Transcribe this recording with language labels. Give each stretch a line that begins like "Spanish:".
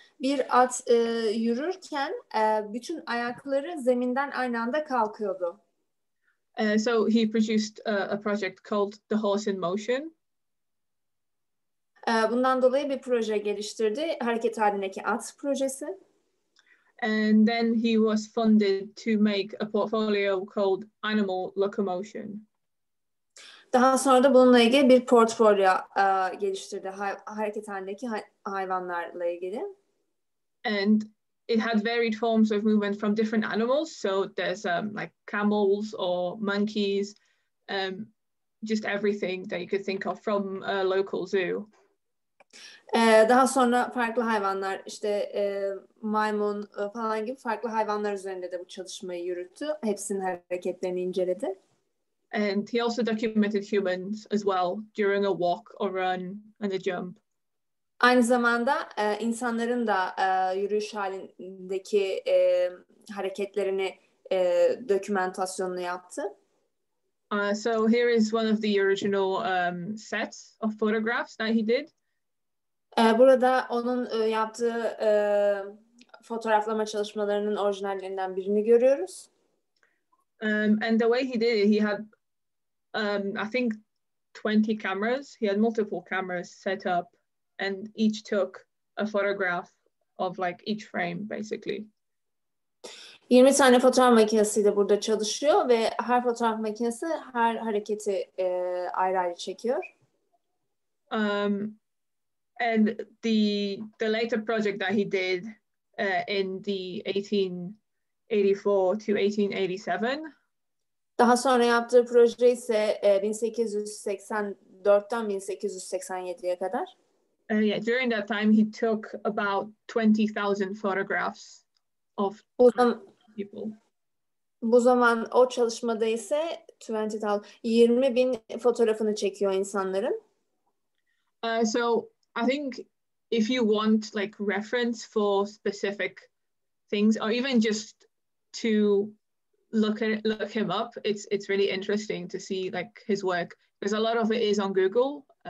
Turkish: Bir at yürürken bütün ayakları zeminden aynı anda kalkıyordu.
English: So he produced a project called The Horse in Motion.
Turkish: Bundan dolayı bir proje geliştirdi, hareket halindeki at projesi.
English: And then he was funded to make a portfolio called Animal Locomotion.
Turkish: Daha sonra da bununla ilgili bir portfolyo geliştirdi, hareket halindeki hayvanlarla ilgili.
English: And it had varied forms of movement from different animals, so there's like camels or monkeys, just everything that you could think of from a local zoo.
Turkish: Daha sonra farklı hayvanlar, işte maymun falan gibi farklı hayvanlar üzerinde de bu çalışmayı yürüttü. Hepsinin hareketlerini inceledi.
English: And he also documented humans as well during a walk or run and a jump.
Turkish: Aynı zamanda insanların da yürüyüş halindeki hareketlerini dokümentasyonunu yaptı.
English: So here is one of the original sets of photographs that he did.
Turkish: Burada onun yaptığı fotoğraflama çalışmalarının orijinallerinden birini görüyoruz.
English: And the way he did it, he had, I think, 20 cameras. He had multiple cameras set up and each took a photograph of like each frame, basically.
Turkish: 20 tane fotoğraf makinesiyle burada çalışıyor ve her fotoğraf makinesi her hareketi ayrı ayrı çekiyor.
English: And the later project that he did in the 1884 to 1887,
Turkish: daha sonra yaptığı proje ise 1884'ten 1887'ye kadar,
English: during that time he took about 20,000 photographs of people.
Turkish: Bu zaman o çalışmada ise 20,000 fotoğrafını çekiyor insanların.
English: So I think if you want like reference for specific things, or even just to look him up, it's really interesting to see like his work, because a lot of it is on Google.